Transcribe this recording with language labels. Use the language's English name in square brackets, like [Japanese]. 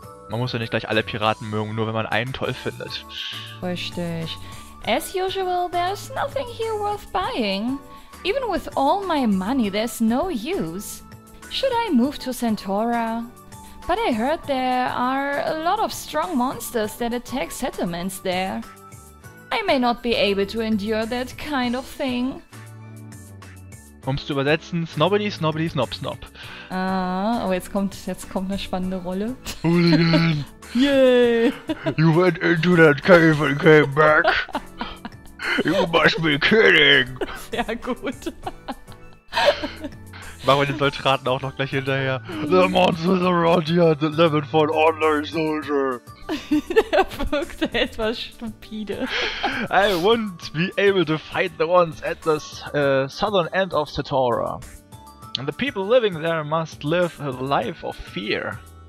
[German] Man muss ja nicht gleich alle Piraten mögen, nur wenn man einen toll findet. Richtig. [English] As usual, there's nothing here worth buying. Even with all my money, there's no use. Should I move to Sentora? But I heard there are a lot of strong monsters that attack settlements there. I may not be able to endure that kind of thing. [German] Um es zu übersetzen, Snobbity, Snobbity, Snob, Snob. Ah, aber jetzt kommt eine spannende Rolle. [English] Hooligan! Yay! You went into that cave and came back! You must be kidding! [German] Sehr gut. Machen wir den Soldaten auch noch gleich hinterher. [English] The monsters around here that live for an ordinary soldier. [German] Der wirkte etwas stupide. [English] I wouldn't be able to fight the ones at the southern end of Sentora. And the people living there must live a life of fear.